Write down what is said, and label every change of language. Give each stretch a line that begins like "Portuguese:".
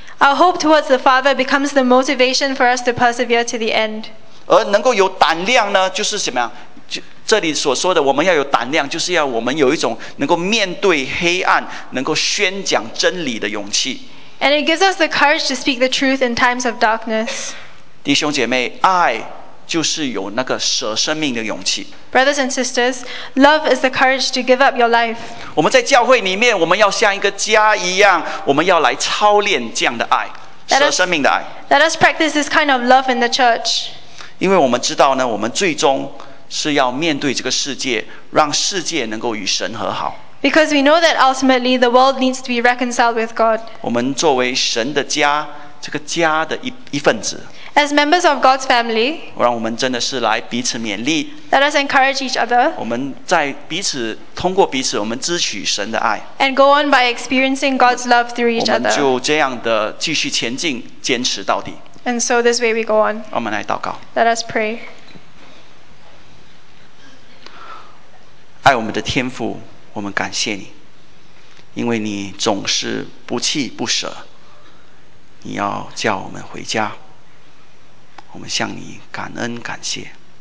English: Our hope towards the Father becomes the motivation for us to persevere to the end.
Chinese: 而能够有胆量呢，就是什么呀？这里所说的我们要有胆量，就是要我们有一种能够面对黑暗，能够宣讲真理的勇气。
English: And it gives us the courage to speak the truth in times of darkness.
Chinese: 弟兄姐妹，爱就是有那个舍生命的勇气。
English: Brothers and sisters, love is the courage to give up your life.
Chinese: 我们在教会里面，我们要像一个家一样，我们要来操练这样的爱，舍生命的爱。
English: Let us practice this kind of love in the church.
Chinese: 因为我们知道呢，我们最终是要面对这个世界，让世界能够与神和好。
English: Because we know that ultimately the world needs to be reconciled with God.
Chinese: 我们作为神的家，这个家的 一份子。
English: As members of God's family,
Chinese: 让我们真的是来彼此勉励。
English: Let us encourage each other.
Chinese: 我们在彼此通过彼此，我们支取神的爱。
English: And go on by experiencing God's love through each other.
Chinese: 我们就这样的继续前进，坚持到底。
English: And so this way we go on.
Chinese: 我们来祷告。
English: Let us pray.
Chinese: 爱我们的天父。我们感谢你，因为你总是不弃不舍，你要叫我们回家，我们向你感恩感谢。